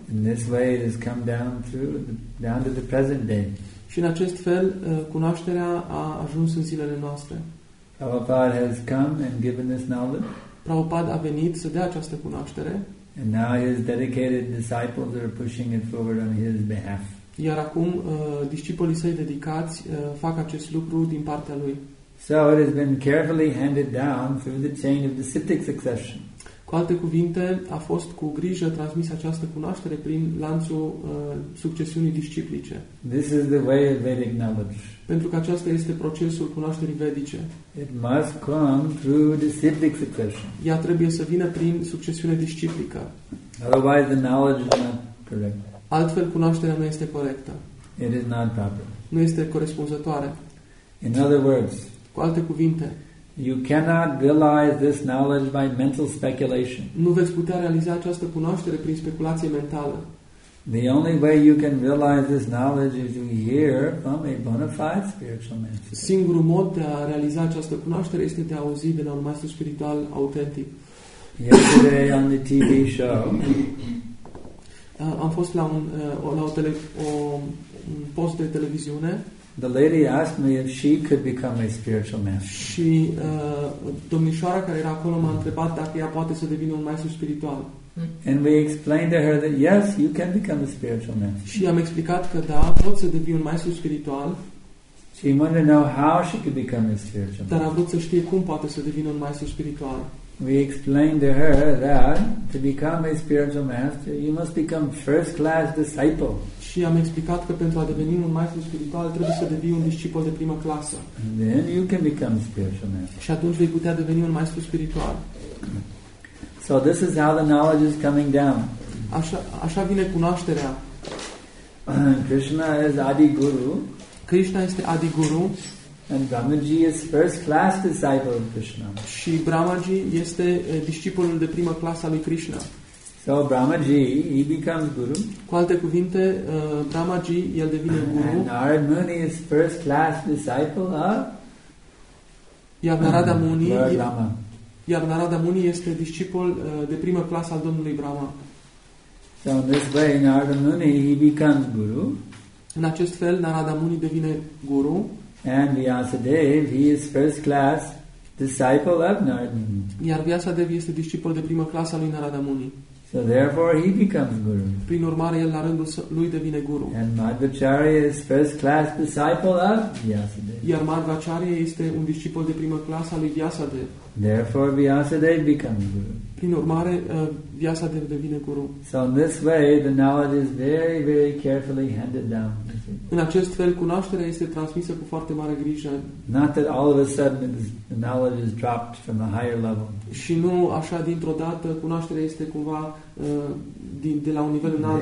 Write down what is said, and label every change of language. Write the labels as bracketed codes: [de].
[en] In this way it has come down to the present day. [ro] Și în acest fel, cunoașterea a ajuns în zilele noastre. [en] Prabhupada has come and given this knowledge. [ro] Prabhupada a venit să dea această cunoaștere. [en] And now his dedicated disciples are pushing it forward on his behalf. [ro] Iar acum discipolii săi dedicați fac acest lucru din partea lui. [en] So it has been carefully handed down through the chain of the Siddhic succession. [ro] Cu alte cuvinte, a fost cu grijă transmis această cunoaștere prin lanțul succesiunii disciplice. [en] This is the way of Vedic knowledge. [ro] Pentru că aceasta este procesul cunoașterii vedice. [en] It must come through the Siddhic succession. [ro] Ea trebuie să vină prin succesiune disciplică. [en] Otherwise the knowledge is not correct. [ro] Altfel, cunoașterea nu este corectă. [en] It is not proper. [ro] Nu este corespunzătoare. [en] In other words, [ro] cu alte cuvinte, [en] you cannot realize this knowledge by mental speculation. [ro] Nu veți putea realiza această cunoaștere prin speculație mentală. [en] The only way you can realize this knowledge is to hear from a bona fide spiritual master. [ro] Singurul mod de a realiza această cunoaștere este de a auzi de la un maestru spiritual autentic. [en] Yesterday on the TV show, [ro] am fost un post de televiziune. [en] The lady asked me if she could become a spiritual master. [ro] Și domnișoara care era acolo m-a întrebat dacă ea poate să devină un maestru spiritual. [en] And we explained to her that yes, you can become a spiritual master. [ro] Și am explicat că da, poți să devii un maestru spiritual. [en] She wanted to know how she could become a spiritual master. [ro] Dar a vrut să știe cum poate să devină un maestru spiritual. [en] We explained to her that to become a spiritual master, you must become first-class disciple. [ro] Și am explicat că pentru a deveni un maestru spiritual trebuie să devii un discipol de primă clasă. [en] And then you can become a spiritual master. [ro] Și atunci vei putea deveni un maestru spiritual. [en] So this is how the knowledge is coming down. [ro] Așa vine cunoașterea. [en] Krishna is Adi Guru. [ro] Krishna este Adi Guru. [en] And Brahmaji is first class disciple of Krishna. [ro] Și Brahmaji este discipolul de primă clasă al lui Krishna. [en] So Brahmaji, he becomes guru. [ro] Cu alte cuvinte, Brahmaji, el devine guru. [en] And Narad Muni is first class disciple of [ro] Narada Muni. [en] Lord Rama. [ro] Iar Narada Muni este discipol de primă clasă al Domnului Brahma. [en] So in this way, Narada Muni, he becomes guru. [ro] În acest fel, Narada Muni devine guru. [en] And Vyasadeva, he is first class disciple of Narada Muni. [ro] Iar Vyasadeva este discipol de primă clasă al lui Narada Muni. [en] So therefore he becomes guru. [ro] Prin urmare, el la rândul lui devine guru. [en] And Madhvacharya is first class disciple of Vyasadeva. [ro] Iar Madhvacharya este un discipol de primă clasă al lui Vyasadeva. [en] Therefore Vyasadeva becomes guru. [ro] Prin urmare, Vyasadeva devine guru. [en] So in this way the knowledge is very, very carefully handed down. [ro] În acest fel, cunoașterea este transmisă cu foarte mare grijă. [en] Not that all of a sudden the knowledge is dropped from a higher level. [ro] Și nu așa dintr-o dată cunoașterea este cumva de la un nivel înalt.